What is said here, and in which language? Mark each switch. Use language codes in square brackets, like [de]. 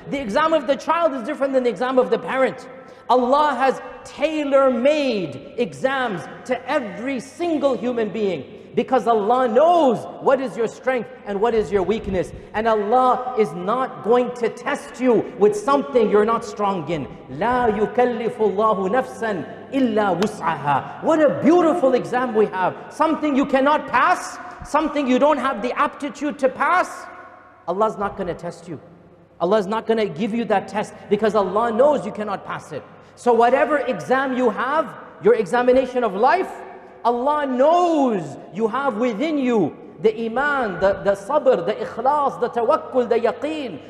[en] The exam of the child is different than the exam of the parent. Allah has tailor-made exams to every single human being. because Allah knows what is your strength and what is your weakness. And Allah is not going to test you with something you're not strong in. [ar] لا يكلف الله نفسا إلا وسعها. [en] What a beautiful exam we have. Something you cannot pass, something you don't have the aptitude to pass, Allah's not going to test you. Allah is not going to give you that test because Allah knows you cannot pass it. So whatever exam you have, your examination of life, Allah knows you have within you the iman, the sabr, the ikhlas, the tawakkul, the yaqeen.